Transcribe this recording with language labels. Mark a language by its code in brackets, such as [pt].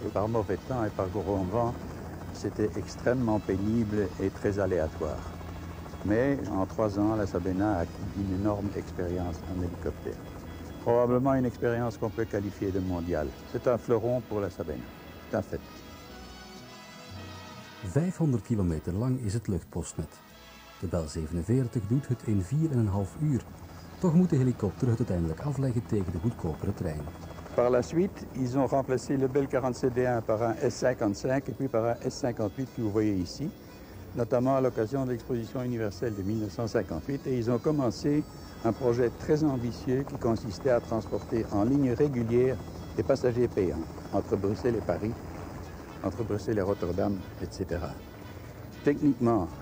[fr] Et par mauvais temps et par gros vent, c'était extrêmement pénible et très aléatoire. Mais en 3 ans, la Sabena a acquis une énorme expérience en hélicoptère. Probablement une expérience qu'on peut qualifier de mondiale. C'est un fleuron pour la Sabena. C'est un fait. [nl] 500 kilometer lang is het luchtpostnet. De Bell 47 doet het in 4,5 uur. Toch moet de helikopter het uiteindelijk afleggen tegen de goedkopere trein. [fr] Par la suite, ils ont remplacé le Bell 47D1 par un S-55 et puis par un S-58 que vous voyez ici, notamment à l'occasion de l'exposition universelle de 1958. Et ils ont commencé un projet très ambitieux qui consistait à transporter en ligne régulière des passagers payants entre Bruxelles et Paris, entre Bruxelles et Rotterdam, etc. Techniquement,